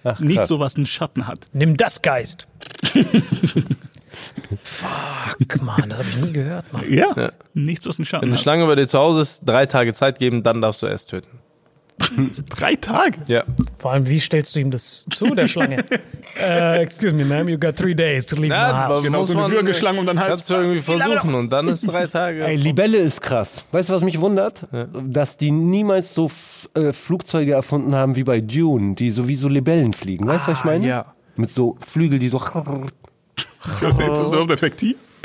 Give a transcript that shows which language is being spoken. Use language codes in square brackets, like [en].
[de] Nichts, was einen Schatten hat. Nimm das, Geist. Fuck, Mann, das habe ich nie gehört, Mann. Ja, nichts, was einen Schatten hat. Wenn eine Schlange bei dir zu Hause ist, 3 Tage Zeit geben, dann darfst du erst töten. 3 Tage? Ja. Vor allem, wie stellst du ihm das zu, der Schlange? [en] excuse me, ma'am, you got 3 days to leave my house. [de] Genau, so eine Würgeschlange und dann halt. Kannst du irgendwie versuchen und dann ist 3 Tage. Ey, Libelle ist krass. Weißt du, was mich wundert? Ja. Dass die niemals so Flugzeuge erfunden haben wie bei Dune, die sowieso Libellen fliegen. Weißt du, was ich meine? Ja. Mit so Flügel, die so. Jetzt ist das effektiv.